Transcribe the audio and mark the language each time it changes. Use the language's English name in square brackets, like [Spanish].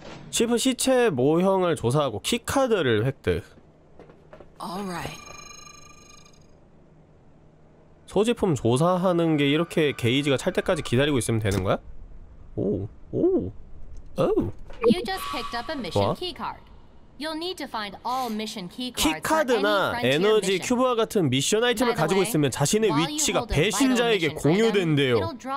[Korean] 치프 시체 모형을 조사하고 키카드를 획득. 소지품 조사하는 게 이렇게 게이지가 찰 때까지 기다리고 있으면 되는 거야? 오, 오, 오. [English] You just picked up a mission key card. You'll need to find all mission key cards. [Korean] 키카드나 에너지 큐브와 같은 미션 아이템을 가지고 있으면 자신의 위치가 배신자에게 공유된대요.